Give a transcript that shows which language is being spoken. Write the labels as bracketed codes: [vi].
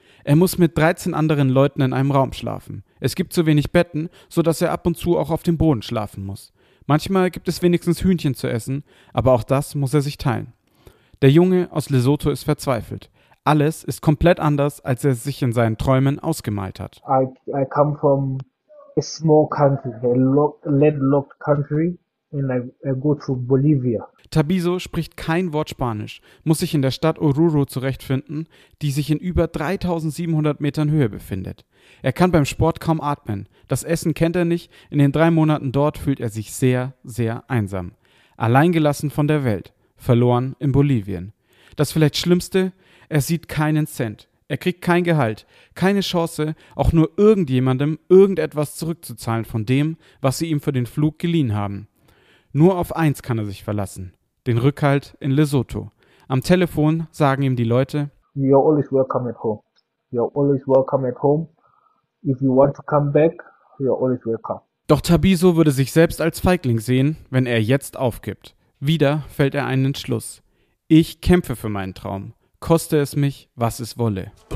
[de] Er muss mit 13 anderen Leuten in einem Raum schlafen. Es gibt zu wenig Betten, sodass er ab und zu auch auf dem Boden schlafen muss. Manchmal gibt es wenigstens Hühnchen zu essen, aber auch das muss er sich teilen. Der Junge aus Lesotho ist verzweifelt. Alles ist komplett anders, als er sich in seinen Träumen ausgemalt hat. [en] I come from a small country, a landlocked country, and I go to Bolivia. [de] Tabiso spricht kein Wort Spanisch, muss sich in der Stadt Oruro zurechtfinden, die sich in über 3700 Metern Höhe befindet. Er kann beim Sport kaum atmen, das Essen kennt er nicht, in den 3 Monaten dort fühlt er sich sehr, sehr einsam. Alleingelassen von der Welt, verloren in Bolivien. Das vielleicht Schlimmste, er sieht keinen Cent, er kriegt kein Gehalt, keine Chance, auch nur irgendjemandem irgendetwas zurückzuzahlen von dem, was sie ihm für den Flug geliehen haben. Nur auf eins kann er sich verlassen, den Rückhalt in Lesotho. Am Telefon sagen ihm die Leute, [en] You're always welcome at home. You're always welcome at home. If you want to come back, you're always welcome. [de] Doch Tabiso würde sich selbst als Feigling sehen, wenn er jetzt aufgibt. Wieder fällt er einen Entschluss. Ich kämpfe für meinen Traum. Koste es mich, was es wolle.